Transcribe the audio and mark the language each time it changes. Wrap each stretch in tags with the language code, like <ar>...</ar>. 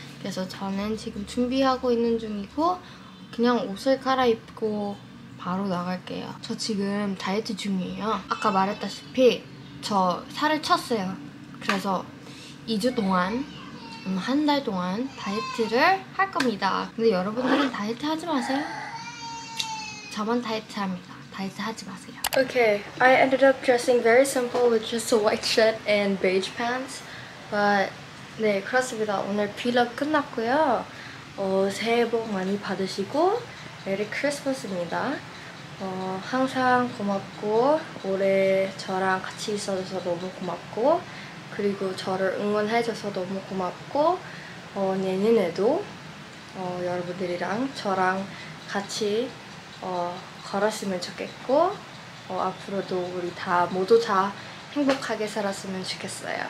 <ko>그래서 저는 지금 준비하고 있는 중이고 그냥 옷을 갈아입고 바로 나갈게요. 저 지금 다이어트 중이에요. 아까 말했다시피 저 살을 쳤어요. 그래서 2주 동안 한 달 동안 다이어트를 할 겁니다. 근데 여러분들은 다이어트 하지 마세요. 저만 다이어트합니다. 다이어트 하지 마세요.</ko> <en>Okay, I ended up dressing very simple with just a white shirt and beige pants.</en> <ko>But 네, 그렇습니다. 오늘 브이로그 끝났고요. 새해 복 많이 받으시고 메리 크리스마스입니다. 항상 고맙고 올해 저랑 같이 있어줘서 너무 고맙고 그리고 저를 응원해줘서 너무 고맙고 내년에도 여러분들이랑 저랑 같이 걸었으면 좋겠고 앞으로도 우리 다 모두 다 행복하게 살았으면 좋겠어요.</ko>